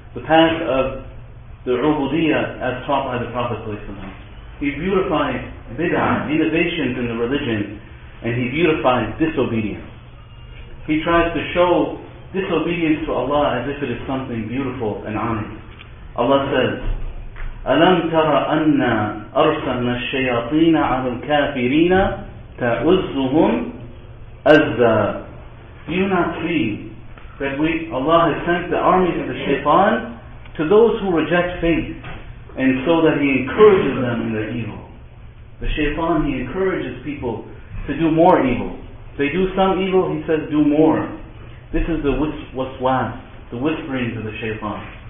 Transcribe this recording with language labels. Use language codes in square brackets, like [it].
[en] the path of the ubudiyyah as taught by the Prophet. He beautified bid'ah, innovations in the religion, and he beautified disobedience. He tries to show disobedience to Allah as if it is something beautiful and honest. Allah says, [ar] أَلَمْ تَرَ أَنَّا أَرْسَلْنَا الشَّيَاطِينَ عَلَى الْكَافِرِينَ تَعُزُّهُمْ أَزَّا. [en] Do you not see that Allah has sent the armies of the shaitan to those who reject faith, and so that he encourages them in their evil? The shaitan, he encourages people to do more evil. They do some evil, he says, do more. This is the waswas, the whisperings of the shaitan.